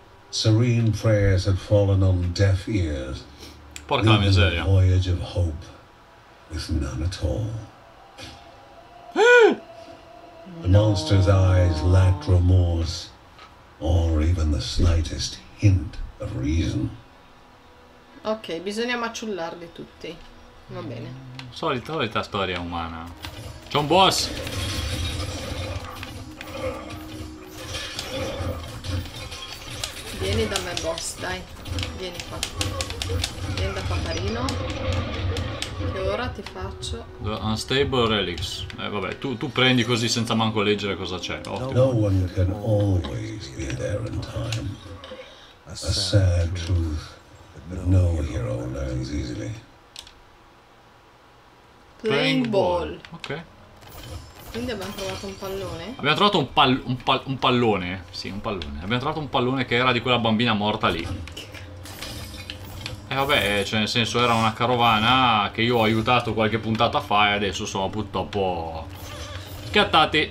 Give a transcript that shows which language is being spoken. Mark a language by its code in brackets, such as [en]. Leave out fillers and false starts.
[en] Serene prayers had fallen on deaf ears. [it] Porca miseria. [en] A voyage of hope with none at all. The monster's eyes lacked remorse or even the slightest hint of reason. [it] Ok, bisogna maciullarli tutti. Va bene. Solita storia umana. C'è un boss. Vieni Vieni da me, boss, dai. Vieni qua. Vieni da paparino. E ora ti faccio... [en] The unstable relics. [it] Vabbè, tu prendi così senza manco leggere cosa c'è. Ottimo. [en] No one can always be there in time. A sad truth that no hero learns easily. Playing ball. Ok. [it] Quindi abbiamo trovato un pallone? Abbiamo trovato un pallone. Sì, un pallone. Abbiamo trovato un pallone che era di quella bambina morta lì. E vabbè, cioè nel senso era una carovana che io ho aiutato qualche puntata fa e adesso sono purtroppo scattati.